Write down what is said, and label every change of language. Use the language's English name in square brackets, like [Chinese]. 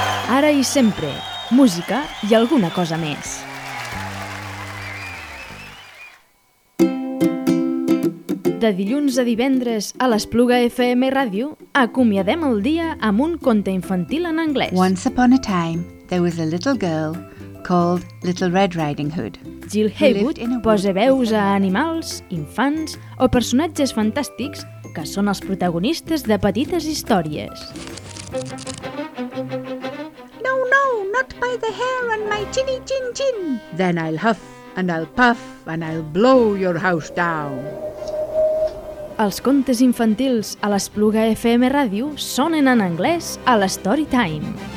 [Catalan] Ara i sempre, música i alguna cosa més. De dilluns a divendres, a l'Espluga FM Ràdio, acomiadem el dia amb un conte infantil en anglès. [English] Once upon a time, there was a little girl called Little Red Riding Hood. [Catalan] Jill Haywood posa veus a animals, infants o personatges fantàstics que són els protagonistes de petites històries. [English] No, no, not by the hair on my chinny chin chin. Then I'll huff and I'll puff and I'll blow your house down. [Catalan] Els contes infantils a l'Espluga FM Ràdio sonen en anglès a la Storytime.